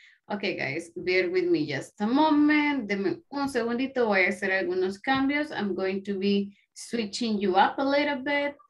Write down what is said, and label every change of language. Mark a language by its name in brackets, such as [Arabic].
[English] Okay, guys, bear with me just a moment. [Spanish] Deme un segundito, voy a hacer algunos cambios. [English] I'm going to be switching you up a little bit.